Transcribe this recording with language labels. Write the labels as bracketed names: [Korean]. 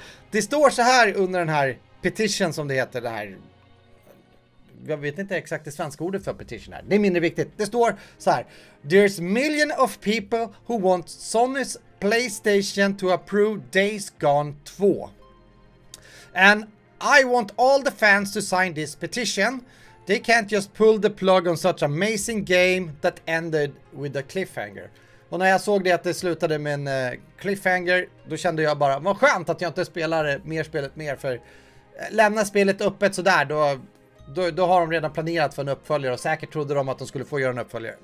[Swedish] Det står så här under den här petition som det heter. Det här, jag vet inte exakt det svenska ordet för petition här. Det är mindre viktigt. Det står så här. [English] There's millions of people who want Sony's PlayStation to approve Days Gone 2. And I want all the fans to sign this petition. They can't just pull the plug on such amazing game that ended with a cliffhanger. [Swedish] Och när jag såg det att det slutade med en cliffhanger, då kände jag bara, vad skönt att jag inte spelar mer spelet mer, för lämna spelet öppet sådär, då har de redan planerat för en uppföljare och säkert trodde de att de skulle få göra en uppföljare.